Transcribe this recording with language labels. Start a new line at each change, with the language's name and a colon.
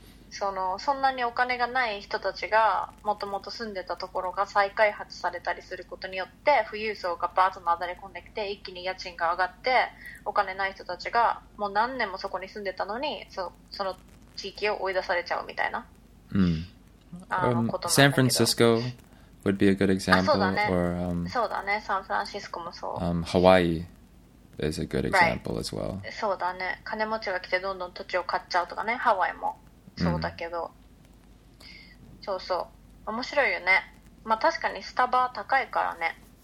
Japanese: そんなにお金がない人たちがもともと住んでたところが再開発されたりすることによって富裕層がバーッとなだれ込んできて一気に家賃が上がってお金ない人たちがもう何年もそこに住んでたのに その地域を追い出されちゃうみたいな、
English: うん、サンフランシスコ would be a good example.
Japanese: そうだね、 or, そうだね、サンフランシスコもそう、
English: ハワイis a good example as well、 right.
Japanese: そうだね、金持ちが来てどんどん土地を買っちゃうとかね、ハワイもそうだけど、うん、そうそう、面白いよね。まあ確かにスタバ高いからね。